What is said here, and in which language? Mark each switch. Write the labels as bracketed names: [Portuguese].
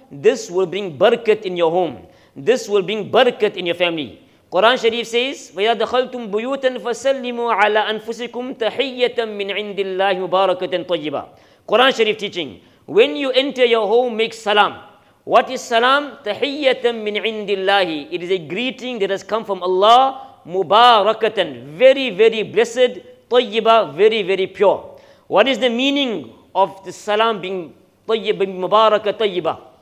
[English] This will bring barakat in your home. This will bring barakat in your family. Quran Sharif says, [Arabic] وَإِذَا دَخَلْتُمْ بُيُوتًا فَسَلِّمُوا عَلَىٰ أَنفُسِكُمْ تَحِيَّةً مِّنْ عِنْدِ اللَّهِ مُبَارَكَةً طَيِّبًا. [English] Quran Sharif teaching, when you enter your home, make salam. What is salam? [Arabic] Tahiyyatan min indillahi. [English] It is a greeting that has come from Allah. Mubarakatan. Very, very blessed. Tayyiba. Very, very pure. What is the meaning of the salam being tayyiba, mubarakat, tayyiba?